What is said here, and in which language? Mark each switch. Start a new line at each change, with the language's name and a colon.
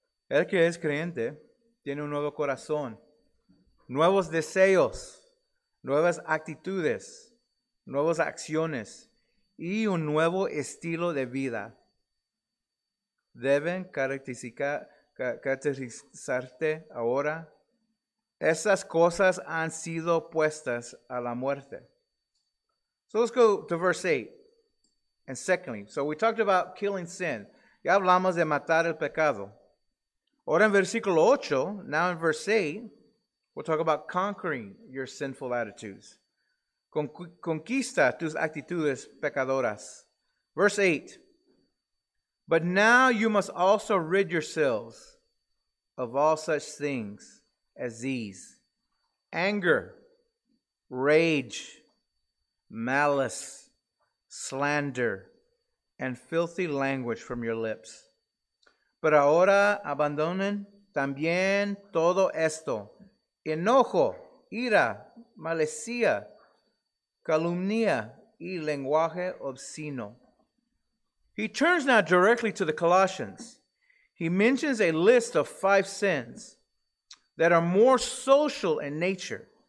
Spanish: El que es creyente tiene un nuevo corazón, nuevos deseos, nuevas actitudes, nuevas acciones y un nuevo estilo de vida. Deben caracterizarte ahora. Esas cosas han sido puestas a la muerte.
English: So let's go to verse 8. And secondly, so we talked about killing sin.
Spanish: Ya hablamos de matar el pecado. Ahora en versículo 8,
English: now in verse 8, we'll talk about conquering your sinful attitudes.
Spanish: Conquista tus actitudes pecadoras.
English: Verse 8, but now you must also rid yourselves of all such things as these: anger, rage, malice, slander, and filthy language from your lips.
Spanish: Pero ahora abandonen también todo esto: enojo, ira, malicia, calumnia, y lenguaje obsceno.
English: He turns now directly to the Colossians. He mentions a list of five sins that are more social in nature.